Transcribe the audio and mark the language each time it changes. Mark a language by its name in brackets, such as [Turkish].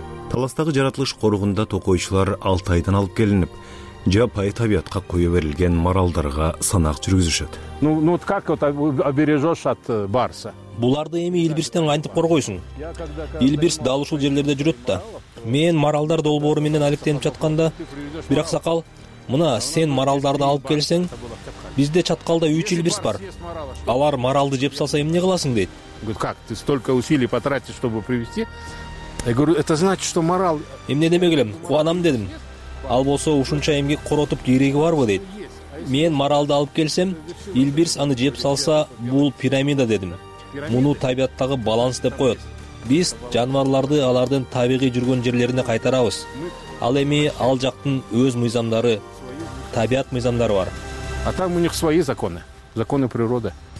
[Kyrgyz] Таластагы жаратылыш коругунда токойчулар Алтайдан алып келинип, жапайы табиятка коюу берилген маралдарга санак жүргүзүшөт. [Russian] Ну вот как вот обережёшь от барса? [Kyrgyz] Буларды эми илбирстен кантип коргойсуң? Илбирс дал ушул жерлерде жүрөт да. Мен маралдар долбоору менен алектенип жатканда, бир аксакал: "Мына сен маралдарды алып келсең, бизде чаткалда 3 илбирс бар. Алар маралды жеп салса эмне кыласың?" дейт. [Russian] Как ты столько усилий потратишь, чтобы привести? Я говорю, это значит, что морал... [Kyrgyz] Эмне демек элем, куанам дедим. Ал болсо ушунча эмгек коротуп кереги барбы дейт. Мен маралды алып келсем, илбирс аны жеп салса, бул пирамида дедим. Муну табияттагы баланс деп коет. Биз жаныбарларды алардын табигый жүргөн жерлерине кайтарабыз. Ал эми ал жактын өз мыйзамдары, табият мыйзамдары бар. [Russian] А там у них свои законы, законы природы.